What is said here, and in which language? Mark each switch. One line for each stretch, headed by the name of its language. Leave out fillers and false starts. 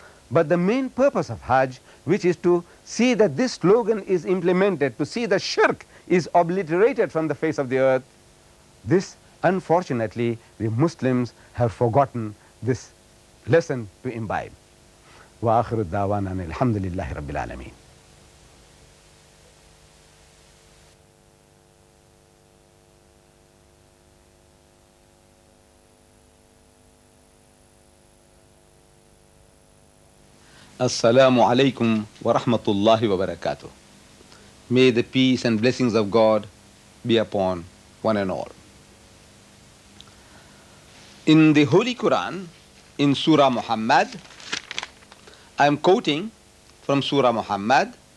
English: But the main purpose of Hajj, which is to see that this slogan is implemented, to see the shirk is obliterated from the face of the earth, this, unfortunately, the Muslims have forgotten this lesson to imbibe.
Arabic: وآخر الدعوان أن الحمد لله رب العالمين. السلام عليكم ورحمة الله وبركاته.
English: May the peace and blessings of God be upon one and all. In the Holy Quran, in Surah Muhammad, I am quoting from Surah Muhammad.